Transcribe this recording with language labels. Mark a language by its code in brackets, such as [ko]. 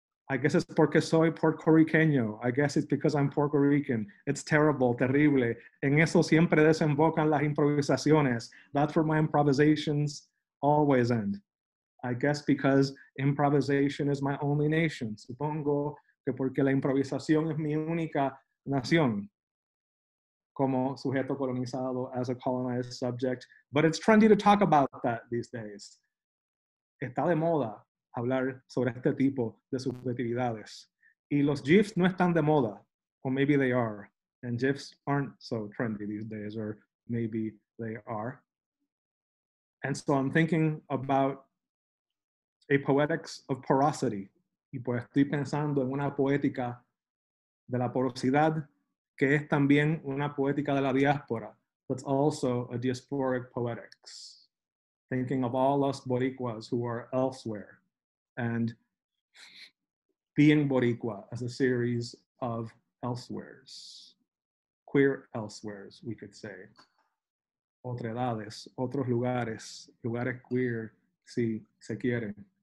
[en] I guess it's [es] porque soy puertorriqueño. [en] I guess it's because I'm Puerto Rican. It's terrible, terrible. [es] En eso siempre desembocan las improvisaciones. [en] That's where my improvisations always end. I guess because improvisation is my only nation. [es] Supongo que porque la improvisación es mi única nación, como sujeto colonizado, [en] as a colonized subject. But it's trendy to talk about that these days. [es] Está de moda hablar sobre este tipo de subjetividades. Y los GIFs no están de moda, [en] or maybe they are. And GIFs aren't so trendy these days, or maybe they are. And so I'm thinking about a poetics of porosity. [es] Y pues estoy pensando en una poética de la porosidad, que es también una poética de la diáspora. [en] That's also a diasporic poetics. Thinking of all us Boricuas who are elsewhere, and being Boricua as a series of elsewheres, queer elsewheres, we could say. [es] Otredades, otros lugares, lugares queer, si se quieren.